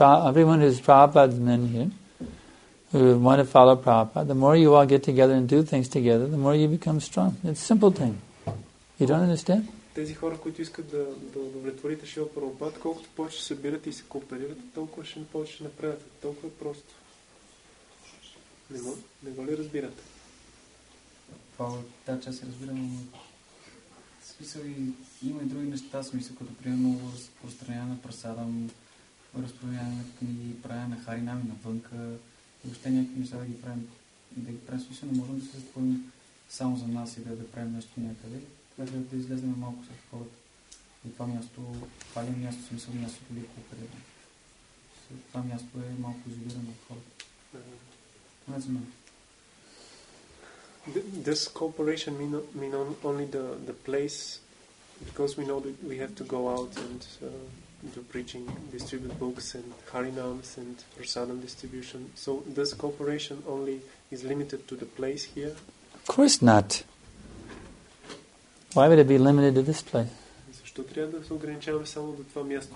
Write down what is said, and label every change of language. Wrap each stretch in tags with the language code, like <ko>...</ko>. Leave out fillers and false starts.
<en>Everyone who's Prabhupada's men here, who want to follow Prabhupada, the more you all get together and do things together, the more you become strong. It's a simple thing. You don't understand?</en> <bg>Тези хора, които искат да удовлетворите Шила Прабхупада, колкото повече събират и се кооперират, толкова ще повече напредат. Толкова просто. Не го ли разбирате? Да, че аз се разбирам. Смисъл и има и други неща, смисъл, като примерно разпространяване на прасадам, разпространяване на книги, правяне на харинами навънка, въобще някакви неща да ги правим. Да ги правим, смисъл, не можем да се затворим само за нас и да правим нещо някъде. Да излезем малко с хората. И това място, това ли място, смисъл, мястото ли е кооперирано. Това място е малко изолирано от хората. Това не знам.</bg> <en>This cooperation mean only the place, because we know that we have to go out and do preaching, distribute books and harinams and prasadam distribution. So this cooperation only is limited to the place here? Of course not. Why would it be limited to this place?</en> <bg>Защо трябва да се ограничаваме само до това място?</bg>